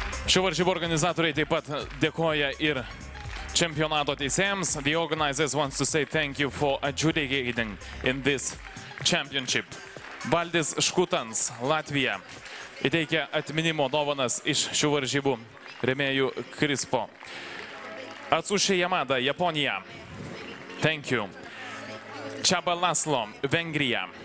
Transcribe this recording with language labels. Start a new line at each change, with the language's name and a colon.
Lithuanian: Šių varžybų organizatoriai taip pat dėkoja ir čempionato teisėjams.
English: The organizers wants to say thank you for adjudicating in this championship.
Lithuanian: Valdis Škutans, Latvija, įteikia atminimo dovanas iš šių varžybų remėjų Krispo. Atsuši Yamada, Japonija.
English: Thank you.
Lithuanian: Čaba Laslo, Vengrija.